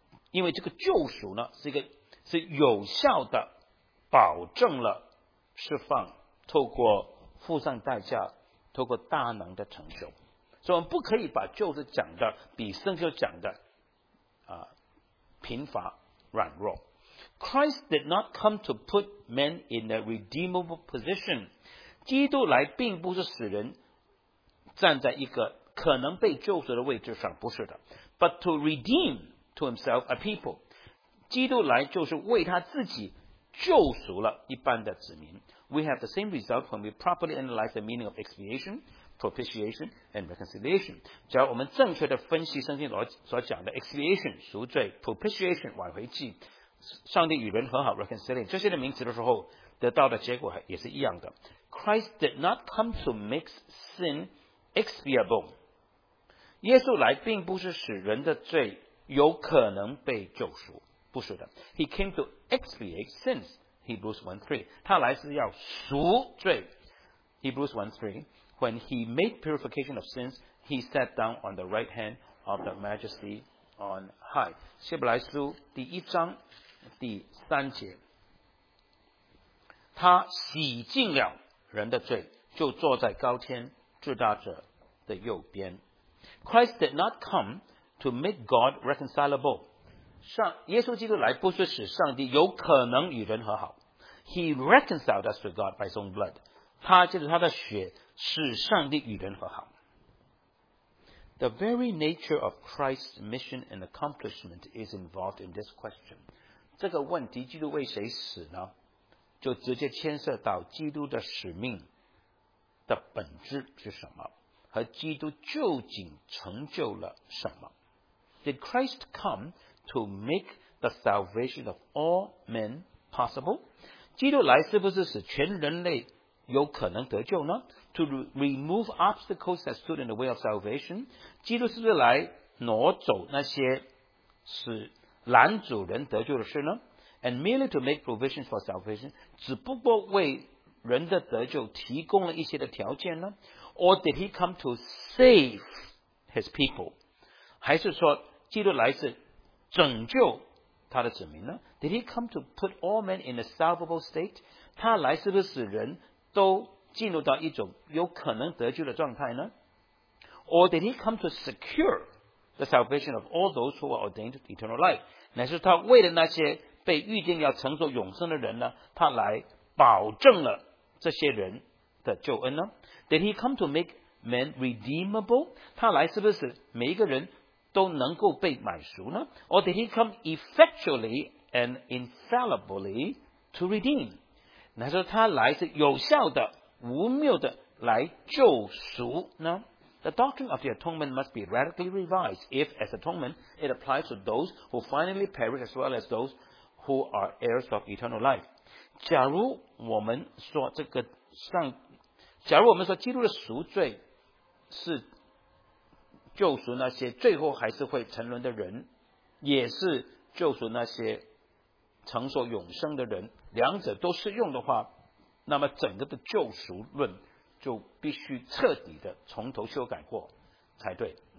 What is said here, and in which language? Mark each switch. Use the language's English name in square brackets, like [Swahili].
[Chinese] 因为这个救赎呢，是有效的保证了释放，透过付上代价，透过大能的成就。所以我们不可以把救赎讲的比圣经讲的贫乏软弱。 [English] Christ did not come to put men in a redeemable position. [Chinese] 基督来并不是使人站在一个可能被救赎的位置上，不是的。 [English] But to redeem to himself a people. [Chinese] 基督来就是为他自己救赎了一般的子民。 [English] We have the same result when we properly analyze the meaning of expiation, propitiation, and reconciliation. [Chinese] 只要我们正确的分析圣经所讲的 expiation, 赎罪， propitiation, 挽回祭，上帝与人和好， reconciliation, 这些的名词的时候，得到的结果也是一样的。 [English] Christ did not come to make sin expiable. [Chinese] 耶稣来并不是使人的罪有可能被救赎，不是的。 [English] He came to expiate sins, Hebrews 1:3. [Chinese] 他来是要赎罪， Hebrews 1:3. [English] When he made purification of sins, he sat down on the right hand of the majesty on high. [Chinese] 希伯来书第一章第三节，他洗净了人的罪，就坐在高天至大者的右边。 [English] Christ did not come to make God reconcilable. [Chinese] 耶稣基督来不是使上帝有可能与人和好。 [English] He reconciled us to God by his own blood. [Chinese] 他借着他的血使上帝与人和好。 [English] The very nature of Christ's mission and accomplishment is involved in this question. [Chinese] 这个问题，基督为谁死呢？就直接牵涉到基督的使命的本质是什么，和基督究竟成就了什么。 [English] Did Christ come to make the salvation of all men possible? [Chinese] 基督来是不是使全人类有可能得救呢？ [English] To remove obstacles that stood in the way of salvation, [Chinese] 基督是不是来挪走那些使拦阻人得救的事呢？ [English] And merely to make provisions for salvation, [Chinese] 只不过为人的得救提供了一些的条件呢？ [English] Or did he come to save his people? [Chinese] 还是说基督来是拯救他的子民呢？ [English] Did he come to put all men in a salvable state? [Chinese] 他来是不是人都进入到一种有可能得救的状态呢？ [English] Or did he come to secure the salvation of all those who are ordained to eternal life? [Chinese] 乃是他为了那些被预定要承受永生的人呢，他来保证了这些人的救恩呢？ [English] Did he come to make men redeemable? [Chinese] 他来是不是每一个人都能够被买赎呢？ [English] Or did he come effectually and infallibly to redeem? [Chinese] 那说他来是有效的无谬的来救赎呢？ [English] The doctrine of the atonement must be radically revised if, as atonement, it applies to those who finally perish as well as those who are heirs of eternal life. [Chinese] 假如我们说这个上，假如我们说基督的赎罪是救赎那些最后还是会沉沦的人，也是救赎那些承受永生的人，两者都适用的话，那么整个的救赎论就必须彻底的从头修改过才对。